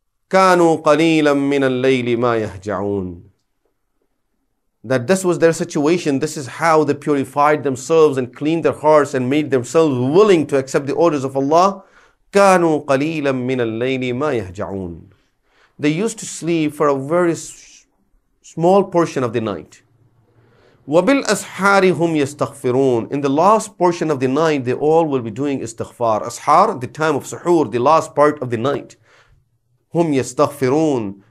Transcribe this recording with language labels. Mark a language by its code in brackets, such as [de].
[ar] كانوا قليلا من الليل ما يهجعون. [en] That this was their situation. This is how they purified themselves and cleaned their hearts and made themselves willing to accept the orders of Allah. [ar] كانوا قليلا من الليل ما يهجعون. [en] They used to sleep for a very small portion of the night. [ar] وَبِالْأَسْحَارِ هُمْ يَسْتَغْفِرُونَ. [en] In the last portion of the night, they all will be doing istighfar. Ashar, the time of suhoor, the last part of the night. [ar] هُمْ يَسْتَغْفِرُونَ.